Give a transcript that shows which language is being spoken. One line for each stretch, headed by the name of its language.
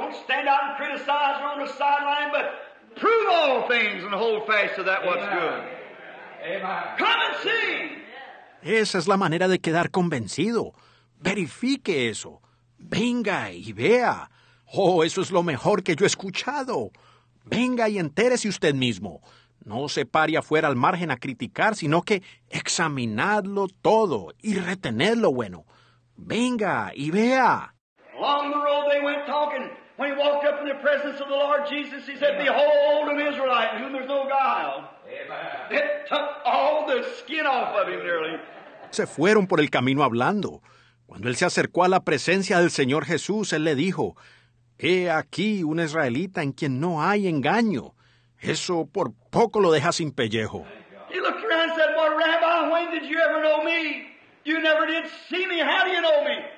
English: stand out and criticize or on the sideline, but prove all things and hold fast to that what's good. Amen. Come and see.
Spanish: Esa es la manera de quedar convencido. Verifique eso. Venga y vea. Oh, eso es lo mejor que yo he escuchado. Venga y entérese usted mismo. No se pare afuera al margen a criticar, sino que examinadlo todo y retened lo bueno. Venga y vea.
English: Along the road they went talking. When he walked up in the presence of the Lord Jesus, he said, "Behold, an Israelite in whom there's no guile." Amen. It took all the skin off of him nearly.
Spanish: Se fueron por el camino hablando. Cuando él se acercó a la presencia del Señor Jesús, él le dijo, "He aquí un israelita en quien no hay engaño." Eso por poco lo deja sin pellejo.
English: He looked around and said, "Well, Rabbi, when did you ever know me? You never did see me. How do you know me?"